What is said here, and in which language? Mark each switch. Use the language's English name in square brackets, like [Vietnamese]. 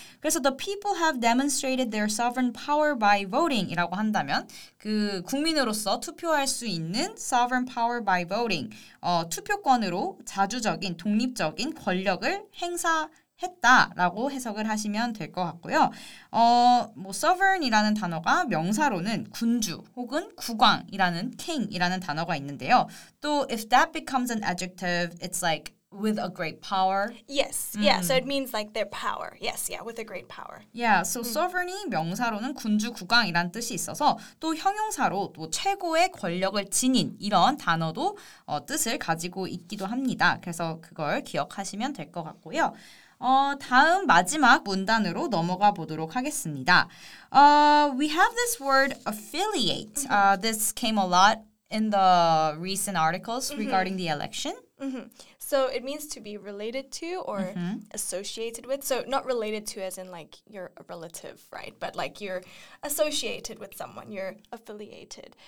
[Korean] 그래서 [English] the people have demonstrated their sovereign power by voting [Korean] 이라고 한다면 그 국민으로서 투표할 수 있는 [English] sovereign power by voting, [Korean] 투표권으로 자주적인 독립적인 권력을 행사 했다라고 해석을 하시면 될 것 같고요. 뭐 sovereign이라는 단어가 명사로는 군주 혹은 국왕이라는 king이라는 단어가 있는데요. [English] 또 if that becomes an adjective, it's like with a great power. Yes, yeah. So it means like their power. Yes, yeah, with a great power. Yeah. [Korean] So sovereign이 명사로는 군주 국왕이라는 뜻이 있어서 또 형용사로 또 최고의 권력을 지닌 이런 단어도 뜻을 가지고 있기도 합니다. 그래서 그걸 기억하시면 될 것 같고요. 다음 마지막 문단으로 넘어가 보도록 하겠습니다. [English] We have this word affiliate. This came a lot in the recent articles regarding the election. So it means to be related to or associated with. So not related to as in like you're a relative, right? But like you're associated with someone, you're affiliated.